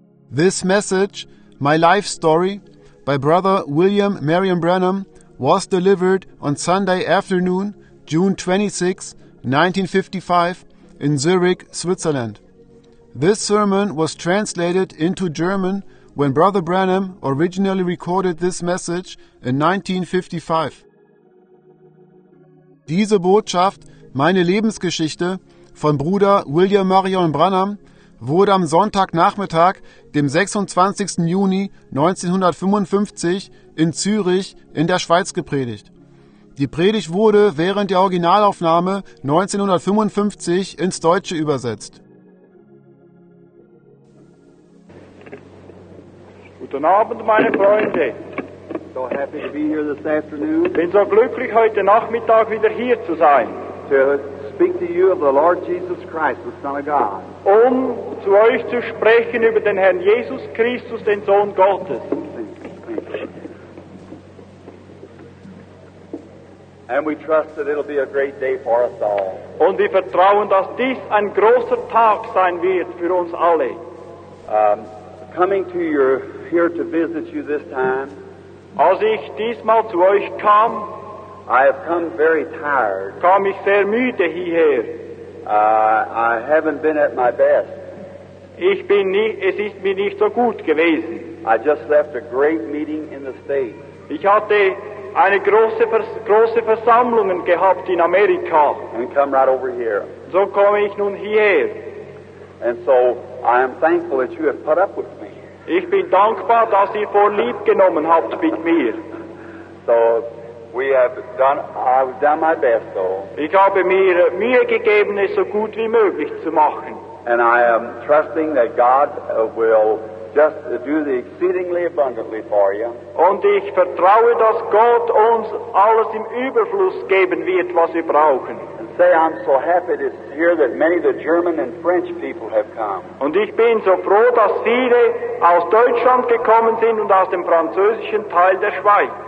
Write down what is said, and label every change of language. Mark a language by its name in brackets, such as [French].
[English] This message, My Life Story, by Brother William Marion Branham, was delivered on Sunday afternoon, June 26, 1955, in Zurich, Switzerland. This sermon was translated into German when Brother Branham originally recorded this message in 1955. [German] Diese Botschaft, meine Lebensgeschichte, von Bruder William Marion Branham, wurde am Sonntagnachmittag, dem 26. Juni 1955, in Zürich in der Schweiz gepredigt. Die Predigt wurde während der Originalaufnahme 1955 ins Deutsche übersetzt. Guten Abend, meine Freunde. [English] So happy to be here this afternoon. [German] Bin so glücklich, heute Nachmittag wieder hier zu sein. [English] To speak to you of the Lord Jesus Christ, the Son of God. [German] Um zu euch zu sprechen über den Herrn Jesus Christus, den Sohn Gottes. [English] And we trust that it'll be a great day for us all. [German] Und wir vertrauen, dass dies ein großer Tag sein wird für uns alle. [English] Coming to your here to visit you this time. [German] Als ich diesmal zu euch kam, [English] I have come very tired. [German] Kam ich sehr müde hierher. [English] I haven't been at my best. [German] Es ist mir nicht so gut gewesen. [English] I just left a great meeting in the States. [German] Ich hatte eine große Versammlung gehabt in Amerika. [English] And come right over here. [German] So komme ich nun hierher. [English] And so I am thankful that you have put up with me. [German] Ich bin dankbar, dass ihr vorlieb genommen habt mit mir. [English] So we have done. I've done my best, though. [German] Ich habe mir Mühe gegeben, es so gut wie möglich zu machen. [English] And I am trusting that God will just do the exceedingly abundantly for you. [German] Und ich vertraue, dass Gott uns alles im Überfluss geben wird, was wir brauchen. [English] And say, I'm so happy to hear that many of the German and French people have come. [German] Und ich bin so froh, dass viele aus Deutschland gekommen sind und aus dem französischen Teil der Schweiz.